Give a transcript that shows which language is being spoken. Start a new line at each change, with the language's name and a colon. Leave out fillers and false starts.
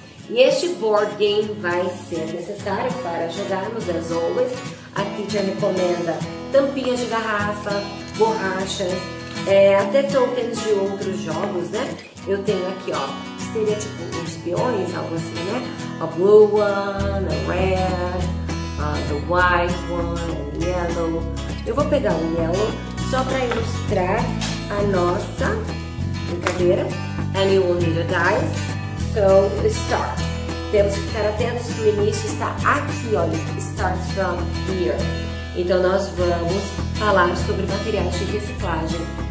Portuguese: E este board game vai ser necessário para jogarmos,
English: as always.
Portuguese: A teacher recomenda tampinhas de garrafa, borrachas, até tokens de outros jogos, né? Eu tenho aqui, ó, seria tipo uns peões, algo assim, né?
English: A blue one, a red, the white one, a yellow.
Portuguese: Eu vou pegar o yellow só para ilustrar a nossa brincadeira.
English: And you will need a dice. So, start.
Portuguese: Temos que ficar atentos que o início está aqui, olha.
English: Start from here.
Portuguese: Então, nós vamos falar sobre materiais de reciclagem.